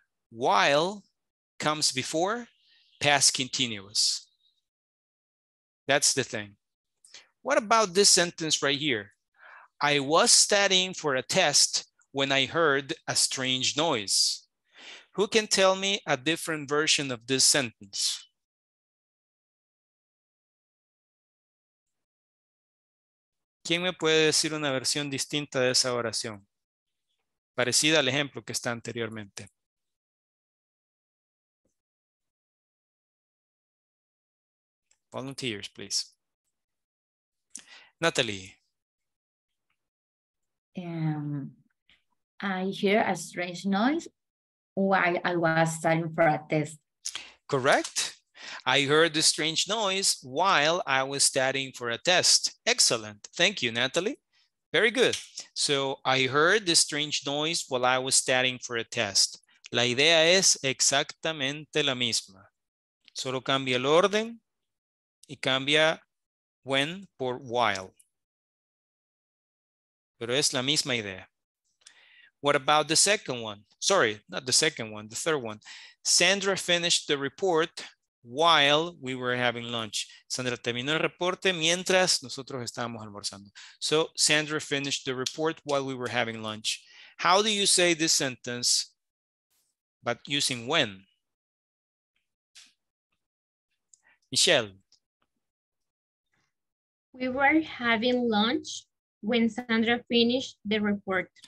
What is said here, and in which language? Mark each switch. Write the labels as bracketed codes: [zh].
[en] While comes before past continuous. That's the thing. What about this sentence right here? I was studying for a test when I heard a strange noise. Who can tell me a different version of this sentence? [es] ¿Quién me puede decir una versión distinta de esa oración? Parecida al ejemplo que está anteriormente. Volunteers, please. Natalie. [en] I hear a strange noise while I was studying for a test. Correct. I heard a strange noise while I was studying for a test. Excellent. Thank you, Natalie. Very good. So I heard the strange noise while I was studying for a test. [es] La idea es exactamente la misma. Solo cambia el orden y cambia when por while. Pero es la misma idea. [en] What about the second one? Sorry, not the second one, the third one. Sandra finished the report while we were having lunch. [es] Sandra terminó el reporte mientras nosotros estábamos almorzando. [en] So Sandra finished the report while we were having lunch. How do you say this sentence, but using when? Michelle. We were having lunch when Sandra finished the report.